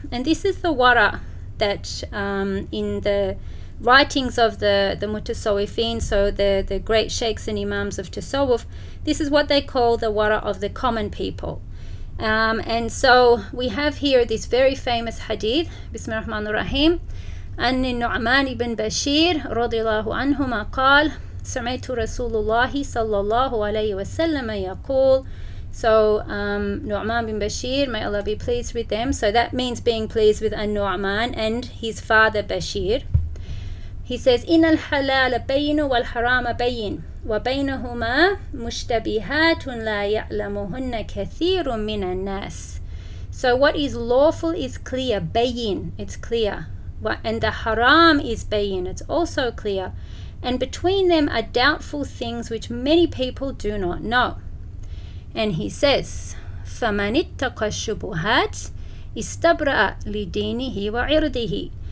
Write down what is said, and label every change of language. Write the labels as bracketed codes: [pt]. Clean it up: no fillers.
[en] And this is the wara that in the writings of the mutasawwifin, so the great sheikhs and imams of tasawwuf, this is what they call the wara of the common people. And so we have here this very famous hadith, Bismillahirrahmanirrahim. [ar] أن النعمان بن بشير رضي الله عنهما قال سمعت رسول الله صلى الله عليه وسلم يقول. [en] So نعمان بن بشير, may Allah be pleased with them. So that means being pleased with النعمان and his father Bashir. He says [ar] إن الحلال بين والحرام بين وبينهما مشتبهات لا يعلمهن كثير من الناس. [en] So what is lawful is clear, بين, it's clear. And the haram is bayin, it's also clear. And between them are doubtful things which many people do not know. And he says, [ar] فَمَنِ اتَّقَ الشُّبُهَاتِ اسْتَبْرَأَ لِدِينِهِ وَعِرْضِهِ.